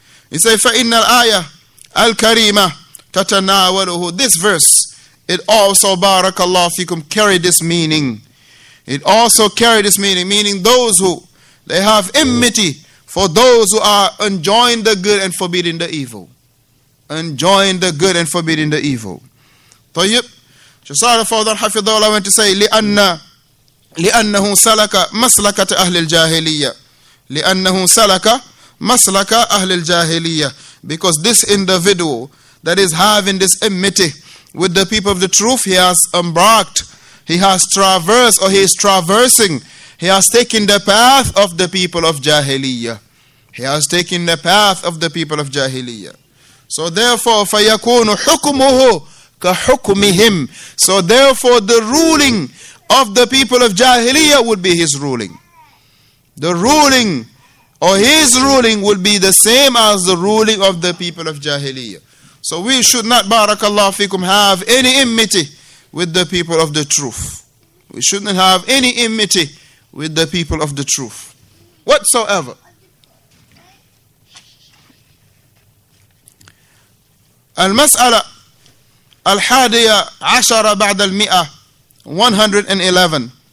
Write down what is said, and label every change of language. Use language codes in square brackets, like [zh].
[en] He say [ar] فإن الآية الكريمة تتناوله. [en] This verse, it also [ar] بارك الله فيكم [en] carry this meaning. It also carry this meaning, meaning those who they have enmity for those who are enjoying the good and forbidding the evil. Enjoying the good and forbidding the evil. طيب. [ar] شصار فوضان حفظه الله وانت سي لأنه سلك مسلكة أهل الجاهلية. لأنه سلك مسلكة أهل الجاهلية. [en] Because this individual that is having this enmity with the people of the truth, he has embarked, he has traversed, or he is traversing, he has taken the path of the people of Jahiliyyah. He has taken the path of the people of Jahiliyyah. So therefore, [ar] فَيَكُونُ حُكُمُهُ كَحُكُمِهِمْ. [en] So therefore, the ruling of the people of Jahiliyyah would be his ruling. The ruling, or his ruling, would be the same as the ruling of the people of Jahiliyyah. So we should not, barakallahu fikum, have any enmity with the people of the truth. We shouldn't have any enmity with the people of the truth whatsoever. [ar] المسألة الحادية عشرة بعد المئة 111.